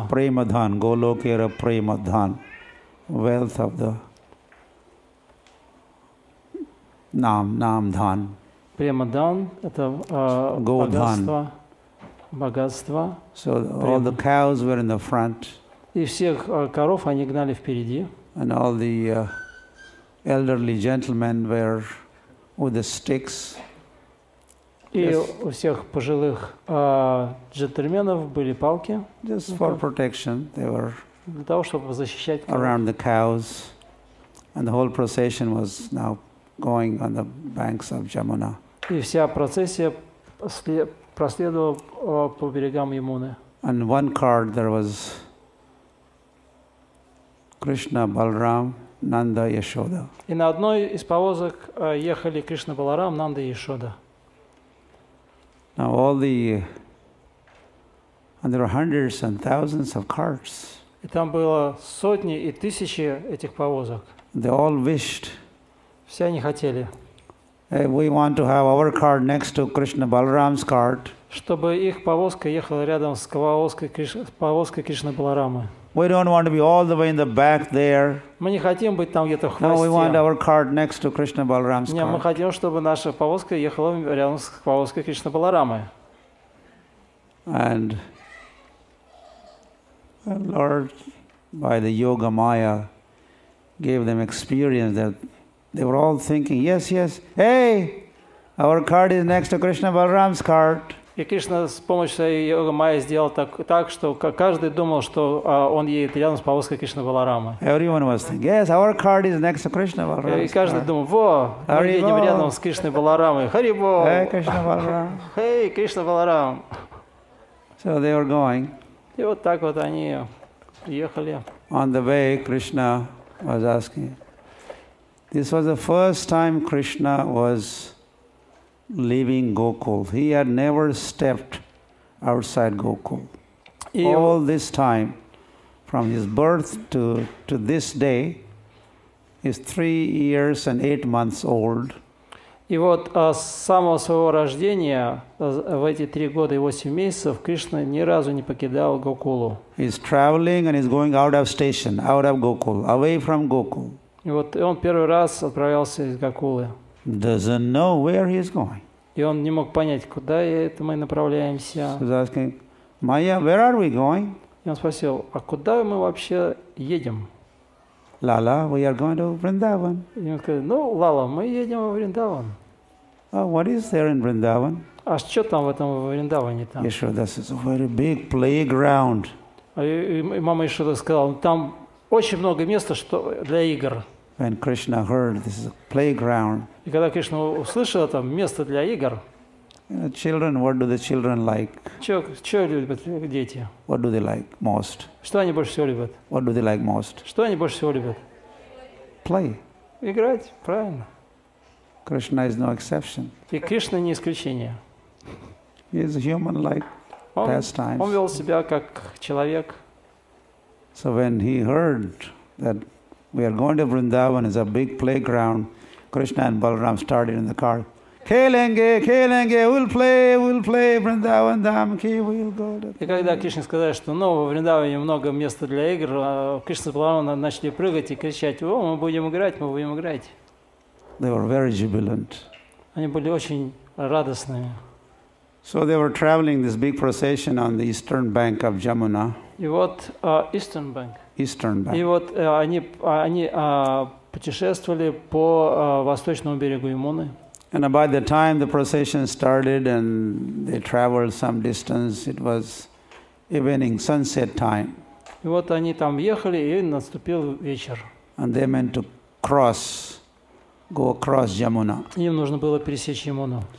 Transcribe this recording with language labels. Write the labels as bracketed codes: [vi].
[en] Like prema dhan, golokera prema dhan. Wealth of the nam dhan. [ru] Prema dhan это богатство. Богатство. [en] So prema. All the cows were in the front. [ru] И всех коров они гнали впереди. [en] And all the elderly gentlemen were with the sticks. [ru] И у всех пожилых джентльменов были палки. [en] Just for protection, they were [ru] для того, чтобы защищать коров. [en] Around the cows, and the whole procession was now going on the banks of Jamuna. [ru] И вся процессия проследовала по берегам Ямуны. [en] And one cart there was Krishna, Balram, Nanda, Yashoda. [ru] И на одной из повозок ехали Кришна, Баларам, Нанда и Яшода. [en] Now all the and there were hundreds and thousands of carts. [ru] И там было сотни и тысячи этих повозок. [en] They all wished. [ru] Все они хотели. [en] Hey, we want to have our cart next to Krishna Balaram's cart. [ru] Чтобы их повозка ехала рядом с повозкой Кришны Баларамы. [en] We don't want to be all the way in the back there. [ru] Мы не хотим быть там где-то в хвосте. [en] No, we want our cart next to Krishna Balaram's cart. [ru] Нет, мы хотим, чтобы наша повозка ехала рядом с повозкой Кришны Баларамы. [en] And Lord, by the yoga maya, gave them experience that they were all thinking, yes, yes, hey, our cart is next to Krishna Balaram's cart. [ru] И Кришна с помощью своей йога майя сделал так, что каждый думал, что он едет рядом с повозкой Кришны Баларамы. [en] Everyone was thinking, yes, our cart is next to Krishna Balaram. [ru] И каждый думал, во, мы едем рядом с Кришной Баларамой. Харибо! [en] Hey, Кришна Баларам. Hey, Кришна Баларам. So they were going. [ru] И вот так вот они ехали. [en] On the way, Krishna was asking. This was the first time Krishna was leaving Gokul. He had never stepped outside Gokul. All this time, from his birth to this day, is 3 years and 8 months old. [ru] И вот с самого своего рождения в эти 3 года и 8 месяцев Кришна ни разу не покидал Гокулу. [en] He's traveling and he's going out of station, out of Gokul, away from Gokul. [ru] И вот он первый раз отправился из Гокулы. [en] Doesn't know where he's going. [ru] И он не мог понять, куда это мы направляемся. [en] He's asking, Maya, where are we going? [ru] И он спросил, а куда мы вообще едем? [en] Lala, we are going to Vrindavan. [ru] И он сказал, ну, Лала, мы едем в Вриндаван. [en] Oh, what is there in Vrindavan? [ru] А что там в этом Вриндаване там? [en] Yashoda says, a very big playground. [ru] И мама Ишода сказала, там очень много места что для игр. [en] When Krishna heard this is a playground. [ru] И когда Кришна услышал там место для игр. [en] You know, children, what do the children like? [ru] Что любят дети? [en] What do they like most? [ru] Что они больше всего любят? [en] What do they like most? [ru] Что они больше всего любят? [en] Play. [ru] Играть, правильно. [en] Krishna is no exception. [ru] И Кришна не исключение. [en] He is human-like pastimes. [ru] Он вел себя как человек. [en] So when he heard that we are going to Vrindavan, it's a big playground, Krishna and Balaram started in the car. [hi] Келенге, келенге, [en] we'll play, Vrindavan Dham, ki, we'll go. [ru] И когда Кришна сказал, что ну, в Вриндаване много места для игр, Кришна с Баларамом начали прыгать и кричать, о, мы будем играть, мы будем играть. [en] They were very jubilant. [ru] Они были очень радостными. [en] So they were traveling this big procession on the eastern bank of Jamuna. [ru] И вот [en] eastern bank. Eastern bank. [ru] И вот они путешествовали по восточному берегу Ямуны. [en] And by the time the procession started and they traveled some distance, it was evening, sunset time. [ru] И вот они там ехали и наступил вечер. [en] And they meant to cross. Go across Jamuna. [ru] Им нужно было пересечь Ямуну.